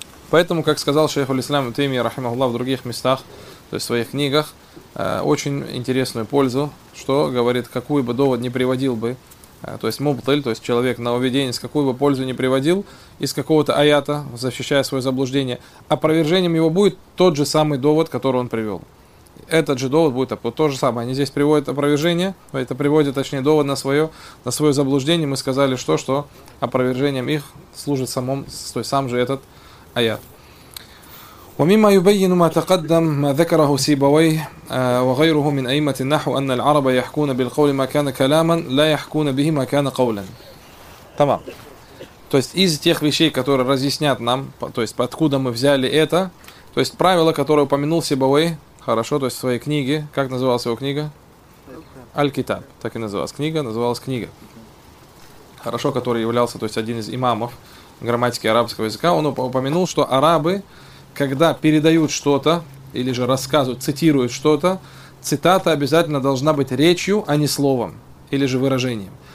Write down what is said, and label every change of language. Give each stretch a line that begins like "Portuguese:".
Russian: Поэтому, как сказал шейх Ислам Таймия, рахимахуллах, в других местах, то есть в своих книгах, очень интересную пользу, что говорит, какую бы довод не приводил бы, то есть мубтиль, то есть человек нововведенец, какую бы пользу не приводил из какого-то аята, защищая свое заблуждение, опровержением его будет тот же самый довод, который он привел. Этот же довод будет то же самое. Они здесь приводят опровержение, это приводит, точнее, довод на свое заблуждение. Мы сказали, что, что опровержением их служит самом, то есть сам же этот аят.
Arabic: ومما يبين ما تقدم ما ذكره سيبوي وغيره من أئمة النحو أن العرب يحكون بالقول ما كان كلاما لا يحكون به ما كان قولا. تمام.
Russian: То есть из тех вещей, которые разъяснят нам, то есть откуда мы взяли это, то есть правило, которое упомянул Сибавей, хорошо, то есть в своей книге, как называлась его книга? Аль-Китаб, так и называлась книга, называлась книга. Хорошо, который являлся, то есть один из имамов грамматики арабского языка, он упомянул, что арабы, когда передают что-то, или же рассказывают, цитируют что-то, цитата обязательно должна быть речью, а не словом, или же выражением.